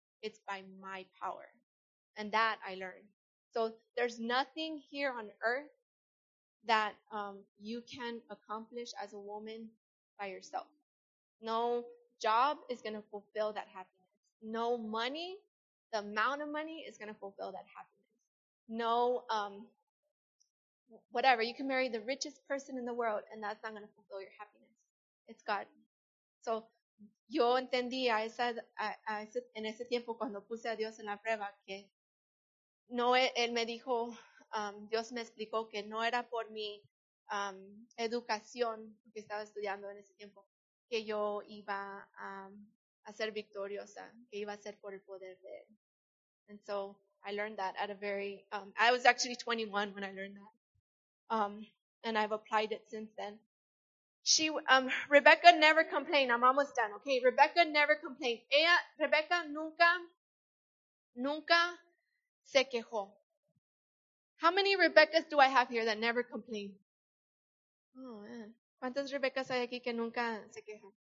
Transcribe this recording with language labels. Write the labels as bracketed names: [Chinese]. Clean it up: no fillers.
[English] It's by my power. And that I learned. So there's nothing here on earth that you can accomplish as a woman by yourself. No job is going to fulfill that happiness. No money, the amount of money, is going to fulfill that happiness. No, whatever. You can marry the richest person in the world, and that's not going to fulfill your happiness. It's God. [Spanish] So, yo entendí en ese tiempo cuando puse a Dios en la prueba que no, él me dijo, Dios me explicó que no era por mi educación que estaba estudiando en ese tiempo, que yo iba a ser victoriosa, que iba a ser por el poder de él. [English] And so I learned that at a very, I was actually 21 when I learned that. And I've applied it since then. Rebecca never complained. I'm almost done, okay? Rebecca never complained. [Spanish] Ella, Rebecca nunca, nunca se quejó. [English] How many Rebeccas do I have here that never complain? Oh, man. [Spanish] ¿Cuántas Rebeccas hay aquí que nunca se quejan?